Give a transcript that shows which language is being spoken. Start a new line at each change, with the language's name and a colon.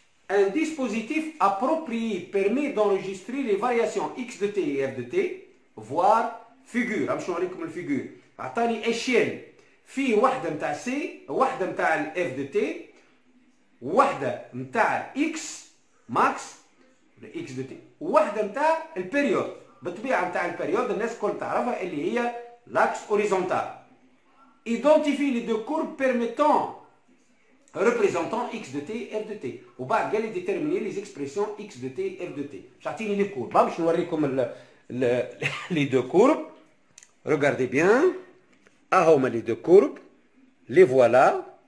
French: Un dispositif approprié permet d'enregistrer les variations x de t et f de t, voire figure. Je vais vous montrer comme une figure. Attends, une échelle.
Arabic: Fi, واحدة متاع c, واحدة متاع f de t, واحدة متاع x max, le x de t, واحدة متاع la période. بطبيعة متاع la période, الناس كل تعرفها اللي هي l'axe horizontal.
French: Identifie les deux courbes permettant représentant x de t et f de t. Ou bien, vous allez déterminer les expressions x de t et f de t. J'attire les courbes. Bam, je vais vous montrer comme les deux courbes. Regardez bien. Ah, on a les deux courbes. Les voilà.